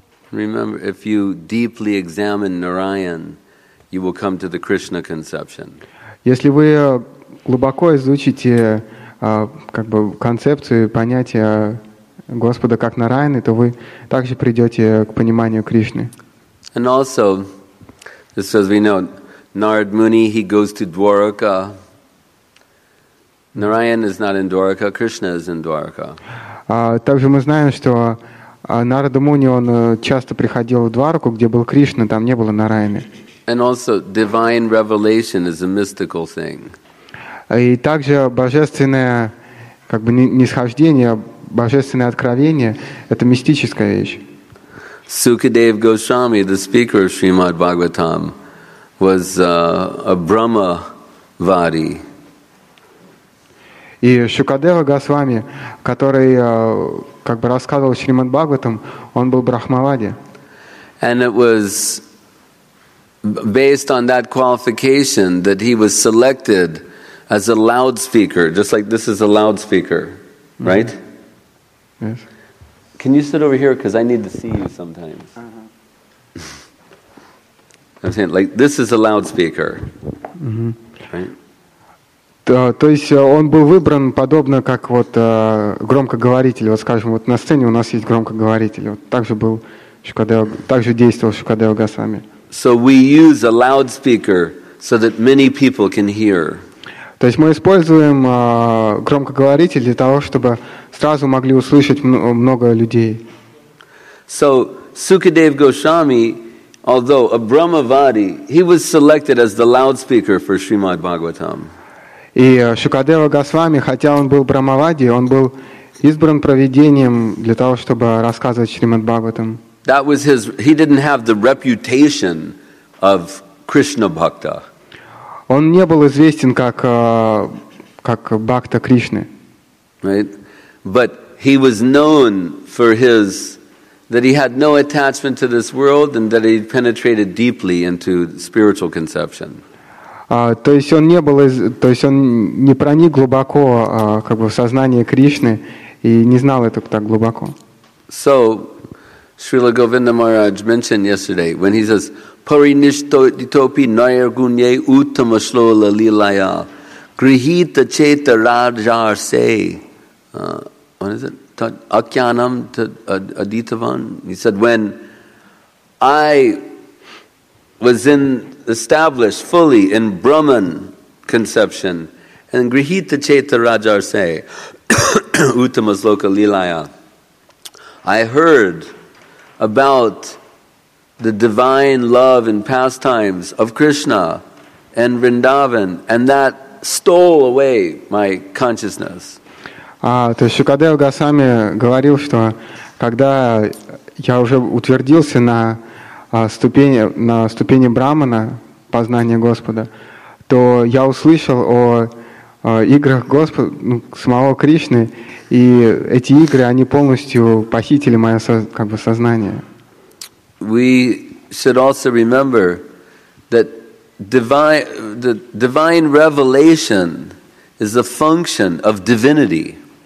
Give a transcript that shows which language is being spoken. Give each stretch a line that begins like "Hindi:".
English: Remember, if you deeply examine Narayan, you will come to the Krishna conception.
Russian: Если вы глубоко изучите как бы концепцию понятия Господа как Нараяны, то вы также придете к пониманию Кришны.
English: And also, just as we know, Narad Muni, he goes to Dwaraka. Narayan is not in Dwaraka, Krishna is in Dwaraka.
Russian: Также мы знаем, что Нарада Муни, он часто приходил в Двараку, где был Кришна, там не было Нараяны.
English: And also, divine revelation is a mystical thing.
Russian: И также божественное как бы нисхождение, божественное откровение — это мистическая вещь.
English: Sukadev Goswami, the speaker of Srimad Bhagavatam, was a Brahmavadi.
Russian: И Шукадева Госвами, который как бы рассказывал Шримад Бхагаватам, он был брахмавади.
English: And it was based on that qualification that he was selected as a loudspeaker, just like this is a loudspeaker, right? Mm-hmm. Yes. Can you sit over here, because I need to see you sometimes. Uh-huh. I'm saying, like, this is a loudspeaker, mm-hmm. right?
Russian: То есть он был выбран подобно как вот громкоговоритель. Вот скажем, вот на сцене у нас есть громкоговоритель. Вот так же был Шукадева, так же действовал Шукадева Госвами.
English: So we use a loudspeaker so that many people can hear.
Russian: То есть мы используем громкоговоритель для того, чтобы сразу могли услышать много людей.
English: So Sukadev Goswami, although a Brahmavadi, he was selected as the loudspeaker for Srimad Bhagavatam.
Russian: И Шукадева Госвами, хотя он был брахмавади, он был избран провидением для того, чтобы рассказывать Шримад Бхагаватам.
English: That was his. He didn't have the reputation of Krishna Bhakta.
Russian: Он не был известен как Бхакта Кришны.
English: Right, but he was known for his that he had no attachment to this world and that he penetrated deeply into spiritual conception.
Russian: То есть он не был, то есть он не проник глубоко как бы в сознание Кришны и не знал это так глубоко.
English: So, Srila Govinda Maharaj mentioned yesterday when he says
Sanskrit: Parinishtitopi Nayargunye Uttamashlola Lilaya Grihita Cheta Rajarse.
English: What is it?
Sanskrit: Akyanam Aditavan.
English: He said, when I was in established fully in Brahman conception and
Sanskrit: Grihita Cheta Rajarse Uttamas Loka Lilaya,
English: I heard about the divine love and pastimes of Krishna and Vrindavan, and that stole away my consciousness.
Russian: То есть Шукадев Госвами говорил, что когда я уже утвердился на ступени Брахмана, познание Господа, то я услышал о играх Господа, ну, самого Кришны, и эти игры, они полностью похитили мое как бы сознание.
English: We should also remember that the divine revelation is a function of divinity.